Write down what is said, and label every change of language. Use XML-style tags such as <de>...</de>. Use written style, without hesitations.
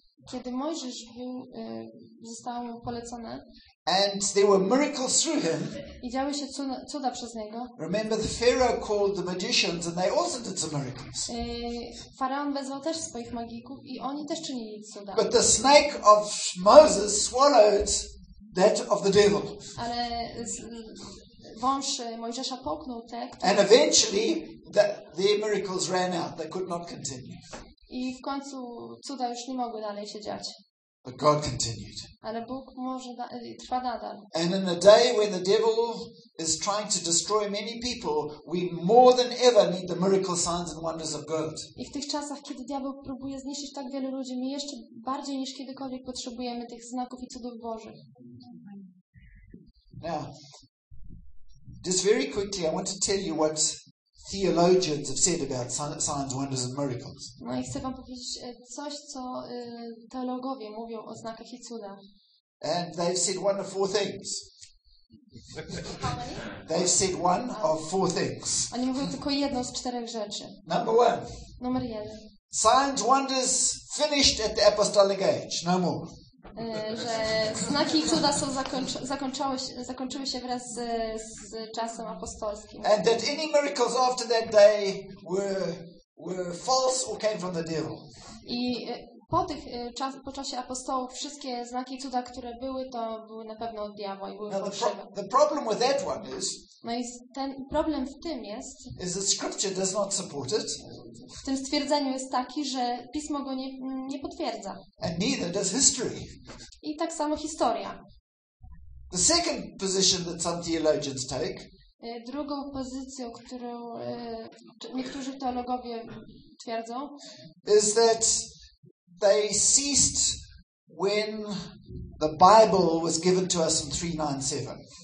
<pl>Kiedy Mojżesz był, został mu polecony.</pl> <en>And there were miracles through him.</en> <pl>I działy się cuda przez niego.</pl> <en>Remember the Pharaoh called the magicians and they also did some miracles.</en> <pl>Faraon wezwał też swoich magików i oni też czynili cuda.</pl> <en>But the snake of Moses swallowed that of the devil.</en> <pl>Ale wąż Mojżesza połknął te, które...</pl> <en>And eventually their miracles ran out. They could not continue.</en> <pl>I w końcu cuda już nie mogły dalej się dziać.</pl> <en>But God continued.</en> <pl>Ale Bóg może trwa nadal.</pl> <en>And in a day when the devil is trying to destroy many people, we more than ever need the miracle signs and wonders of God.</en> <pl>I w tych czasach, kiedy diabeł próbuje zniszczyć tak wielu ludzi, my jeszcze bardziej niż kiedykolwiek potrzebujemy tych znaków i cudów Bożych.</pl> <en>Now, just very quickly, I want to tell you what theologians have said about signs, wonders and miracles.</en> <pl>No i chcę wam powiedzieć coś, co teologowie mówią o znakach i cudach.</pl> <en>And they've said one of four things. They've said one of four things.</en> <pl>Oni mówią tylko jedną z czterech rzeczy.</pl> <en>Number one.</en> <pl>Numer jeden.</pl> <en>Signs, wonders finished at the apostolic age. No more.</en> <pl>Że znaki i cuda są zakończyły się wraz z czasem apostolskim.</pl> <en>And that any miracles after that day were false or came from the devil.</en> <pl>I po czasie apostołów wszystkie znaki i cuda, które były na pewno od diabła i były fałszywe.</pl> <en>The problem with that one is.</en> <pl>No i ten problem w tym jest.</pl> <en>Is that scripture does not support it.</en> <pl>W tym stwierdzeniu jest taki, że pismo go nie potwierdza.</pl> <en>And neither does history.</en> <pl>I tak samo historia.</pl> <en>The second position that some theologians take.</en> <pl>Drugą pozycją, którą niektórzy teologowie twierdzą.</pl> <en>Is that they ceased when the Bible was given to us in 397.</en>